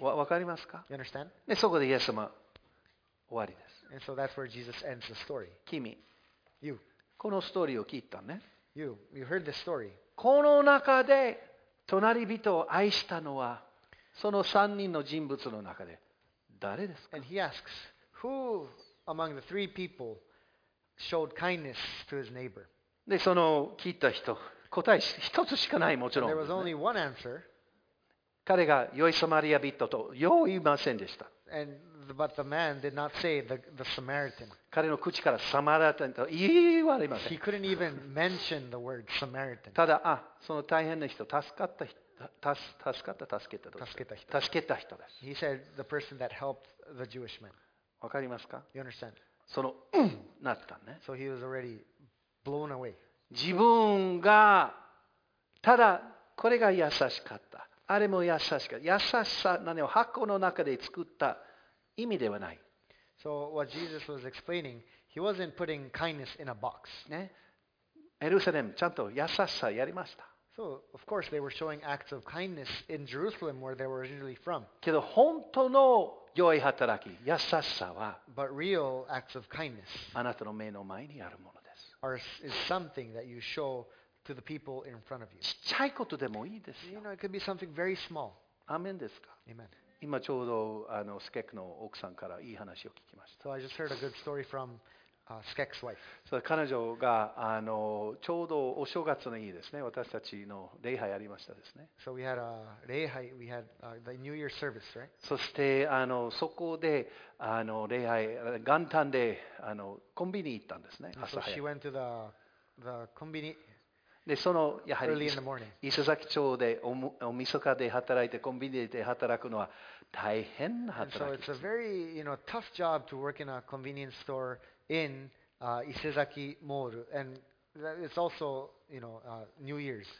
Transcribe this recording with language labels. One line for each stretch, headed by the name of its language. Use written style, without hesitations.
Japanese: わかりますか?
English: You understand?
Japanese: で、そこでイエス様、終わりです。
English: And so that's where Jesus ends the story.
Japanese: 君。
English: You.
Japanese: このストーリーを聞いたね。
English: You. You heard this story.
Japanese: この中で隣人を愛したのはその三人の人物の中で誰ですか?
English: And he asks, who? Among the three people, showed kindness to his neighbor.
Japanese: で、その聞いた人、答え一つしかない、もちろん。
English: There was only one answer.
Japanese: 彼が良いサマリア人とよう言いませんでした。
English: And, but the man did not say the Samaritan.
Japanese: 彼の口からサマリア人と言われません。
English: He couldn't even mention the word Samaritan.
Japanese: ただ、あ、その大変な人、助かった人。助けた人です。
English: He said the person that helped the Jewish man.
Japanese: わかりますか?
English: You understand?
Japanese: そのうんなったね。
English: So he was already blown away.
Japanese: 自分がただこれが優しかった。あれも優しかった。優しさ何を箱の中で作った意味ではない。
English: So what Jesus was explaining, he wasn't putting kindness in a box.
Japanese: ね。エルサレムちゃんと優しさやりました。
English: So, of course, they were showing acts of kindness in Jerusalem where they were originally from.
Japanese: けど本当の良い働き、優しさは、
English: But real acts of kindness
Japanese: あなたの目の前にあるものです。
English: Is something that you show to the people in front of you.
Japanese: ちっちゃいことでもいいですよ。
English: You know, it could be something very small.
Japanese: アメンですか?
English: Amen.
Japanese: 今ちょうどスケクの奥さんからいい話を聞きました。
English: So I just heard a good story from Skek's wife.
Japanese: そう、彼女がちょうどお正月の日ですね、私たちの礼拝ありましたですね。
English: So we had a 礼拝、we had the New Year service, right?
Japanese: そしてそこで礼拝、元旦でコンビニ行ったんですね、朝早く。
English: So she went to the company.
Japanese: で、そのやはり伊勢崎町でおみそかで働いて、コンビニで働くのは大変な働きです。
English: And so it's a very, tough job to work in a convenience store. In Isezaki Mall, and it's also New Year's.